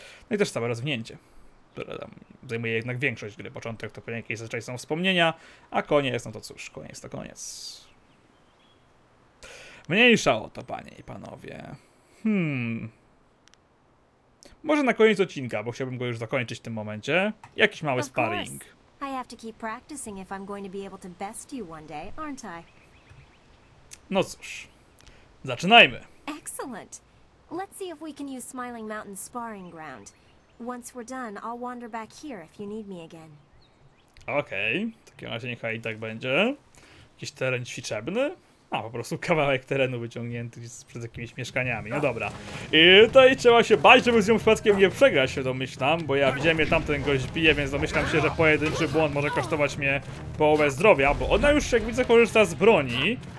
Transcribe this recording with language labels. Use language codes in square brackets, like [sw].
[pl] No i też całe rozwinięcie, które tam zajmuje jednak większość gry. Początek to pewnie jakieś zazwyczaj są wspomnienia, a koniec, no to cóż, koniec to koniec. Mniejsza o to, panie i panowie. Może na koniec odcinka, bo chciałbym go już zakończyć w tym momencie. Jakiś mały sparring. [en] I have to keep practicing if I'm going to be able to best you one day, aren't I? [pl] No cóż. Zaczynajmy. [en] Excellent. Let's see if we can use Smiling Mountain's sparring ground. Once we're done, I'll wander back here if you need me again. [pl] Okej. W takim razie niechaj i tak będzie. Jakiś teren ćwiczebny? A, po prostu kawałek terenu wyciągnięty przed jakimiś mieszkaniami, no dobra. I tutaj trzeba się bać, żeby z nią przypadkiem nie przegrać, się domyślam, bo ja widziałem, że tamten gość bije, więc domyślam się, że pojedynczy błąd może kosztować mnie połowę zdrowia, bo ona już, jak widzę, korzysta z broni.